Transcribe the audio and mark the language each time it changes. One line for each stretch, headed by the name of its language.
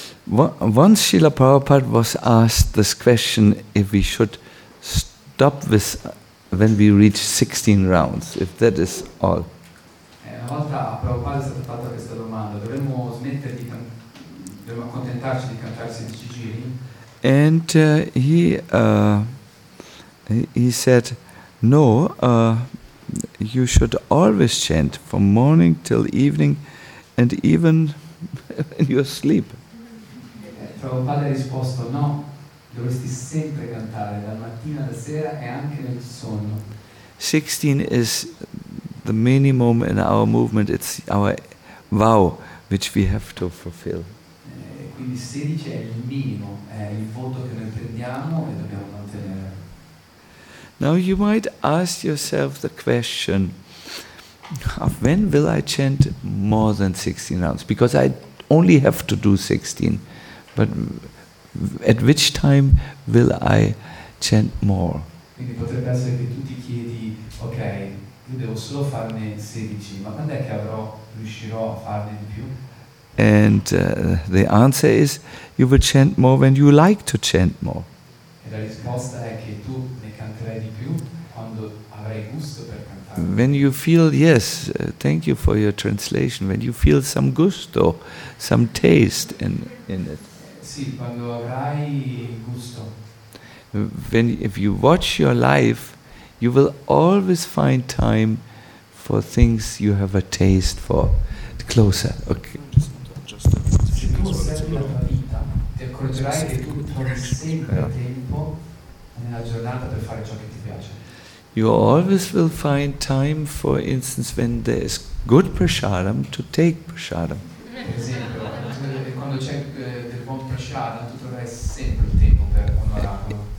English: Once Srila Prabhupada was asked this question, if we should stop this when we reach 16 rounds, if that is all.
Italian: Una volta a Prabhupada è stata fatta questa domanda, dovremmo smettere di dovremmo accontentarci di cantare 16 giri?
English: And he said, no, you should always chant from morning till evening and even in your sleep.
Italian: Prabhupada ha risposto no, dovresti sempre cantare dal mattino alla sera e anche nel sonno.
English: 16 is the minimum in our movement, it's our vow which we have to fulfill.
Italian: Quindi 16 è il minimo, è il voto che noi prendiamo e dobbiamo mantenere.
English: Now you might ask yourself the question, when will I chant more than 16 rounds? Because I only have to do 16, but at which time will I chant more?
Italian: Quindi potrebbe essere che tu ti chiedi, ok, io devo solo farne 16, ma quando è che riuscirò a farne di più?
English: And the answer is, you will chant more when you like to chant more.
Italian: E la risposta è che tu ne canterai di più quando avrai gusto per cantare.
English: When you feel, yes, thank you for your translation, when you feel some gusto, some taste in it.
Italian: Sì, quando avrai gusto.
English: If you watch your life, you will always find time for things you have a taste for. Closer, okay.
Italian: Se tu osservi la tua vita, ti accorgerai che tu trovi sempre tempo nella giornata per fare ciò che ti piace.
English: You always will find time, for instance, when there is good prasadam, to take prasadam.
Italian: Per esempio, quando c'è del buon prasadam, tu troverai sempre il tempo per onorarlo.